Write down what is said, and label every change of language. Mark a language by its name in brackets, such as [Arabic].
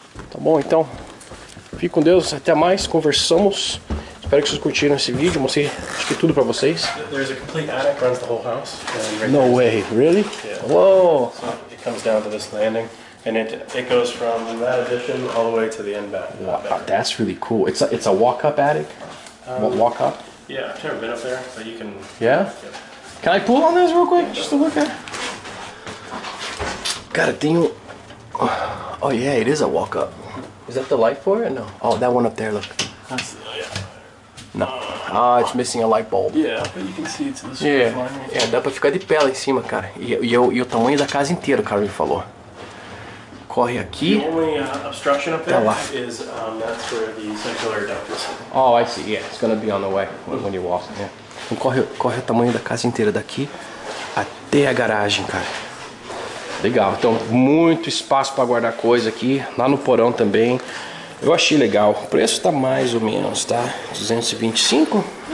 [Portuguese] Tá bom, então, fique com Deus, até mais, conversamos, espero que vocês curtiram esse vídeo, mostrei acho que tudo pra vocês. [English] There's a complete attic, runs the whole house. Right, no way, really? Yeah. Whoa! So it comes down to this landing, and it goes from that addition all the way to the end back. Wow, that's really cool. It's a walk-up attic? Walk-up? Yeah, I've never been up there, but you can... Yeah? Can I pull on this real quick, just to look at? [Portuguese] Cara, tem um... [English] Oh yeah, it is a walk up. Is that the light for it? No. Oh, that one up there, look. That's, yeah. No. Ah, it's missing a light bulb. Yeah, but you can see it's the super fine. [Portuguese] Yeah, dá pra ficar de pé lá em cima, cara. E o tamanho da casa inteira, o cara me falou. Corre aqui. [English] The only obstruction up there is that's where the central air duct is. Oh, I see. Yeah, it's gonna be on the way when you walk. Yeah. [Portuguese] Então corre o tamanho da casa inteira daqui até a garagem, cara. Legal, então muito espaço para guardar coisa aqui, lá no porão também. Eu achei legal, o preço tá mais ou menos, tá? 225?